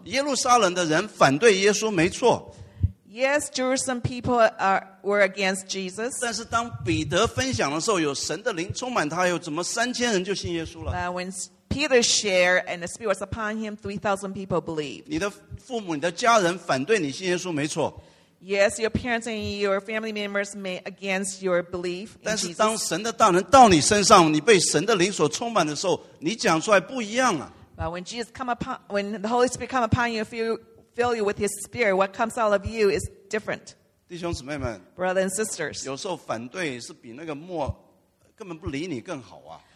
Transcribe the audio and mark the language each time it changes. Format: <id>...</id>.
<zh>耶路撒冷的人反对耶稣没错。</zh> <en>Yes, Jerusalem people were against Jesus.</en> <zh>但是当彼得分享的时候，有神的灵充满他，又怎么3000人就信耶稣了？</zh> <en>When Peter shared and the Spirit was upon him, 3,000 people believed.</en> <zh>你的父母、你的家人反对你信耶稣，没错。</zh> <en>Yes, your parents and your family members may against your belief in Jesus.</en> <zh>但是当神的大能到你身上，你被神的灵所充满的时候，你讲出来不一样啊。</zh> <en>But when the Holy Spirit come upon you, fill you with his spirit, what comes out of you is different.</en> <zh>弟兄姊妹们</zh> <en>brothers and sisters,</en> <zh>有时候反对是比那个默根本不理你更好啊。</zh>